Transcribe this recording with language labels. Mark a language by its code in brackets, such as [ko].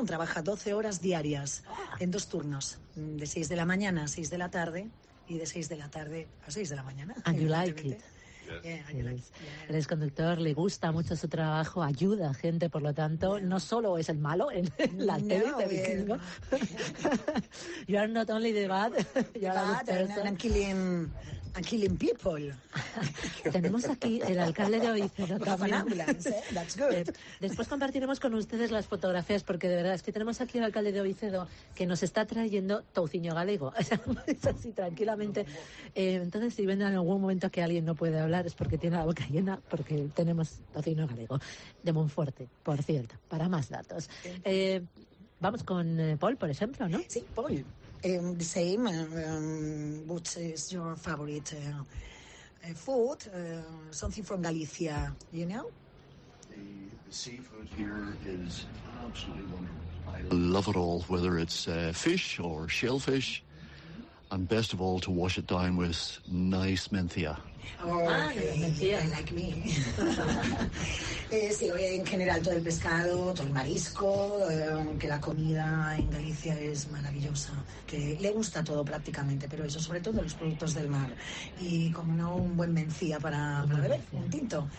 [es] Trabaja 12 horas diarias en dos turnos, de 6 de la mañana a 6 de la tarde. Y de 6 de la tarde a 6 de la mañana. [en] And you like it. Yes. [es] Eres conductor, le gusta mucho su trabajo, ayuda a gente, por lo tanto, no solo es el malo en la tele de vikingo. [en] You are not only the bad, you are the person. I'm killing people. [es] Tenemos aquí el alcalde de Oviedo. [en] That's good. [es] Después compartiremos con ustedes las fotografías, porque de verdad es que tenemos aquí el alcalde de Oviedo que nos está trayendo touciño galego. Es así, tranquilamente. Entonces, si ven en algún momento que alguien no puede hablar, es porque tiene la boca llena, porque tenemos tocino galego de Monforte, por cierto, para más datos. Vamos con Paul, por ejemplo, ¿no? Sí, Paul. [en] The same, which is your favorite food, something from Galicia, you know? The seafood here is absolutely wonderful. I love it all, whether it's fish or shellfish. And best of all, to wash it down with nice menthia. Menthia. Like me. [es] Sí, en general todo el pescado, todo el marisco, que la comida en Galicia es maravillosa, que le gusta todo prácticamente, pero eso sobre todo los productos del mar. Y como no, un buen menthia para beber, un tinto.